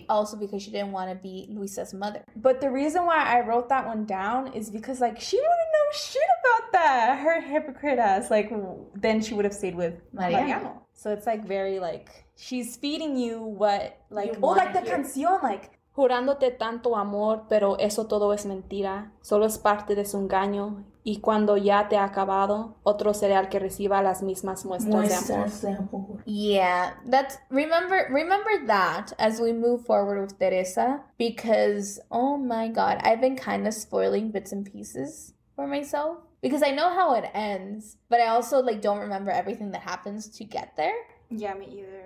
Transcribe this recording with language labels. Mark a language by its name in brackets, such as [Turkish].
[English] Also because she didn't want to be Luisa's mother. But the reason why I wrote that one down is because, like, she wouldn't know shit about that. Her hypocrite ass. Like, then she would have stayed with Mariano. So it's, like, very, like, she's feeding you what, like, you like the canción, like, [Spanish] jurándote tanto amor, pero eso todo es mentira. Solo es parte de su engaño. Y cuando ya te ha acabado, otro será el que reciba las mismas muestras de amor. [English] Yeah, that's, remember that as we move forward with Teresa. Because, oh my god, I've been kind of spoiling bits and pieces for myself. Because I know how it ends, but I also, like, don't remember everything that happens to get there. Yeah, me either.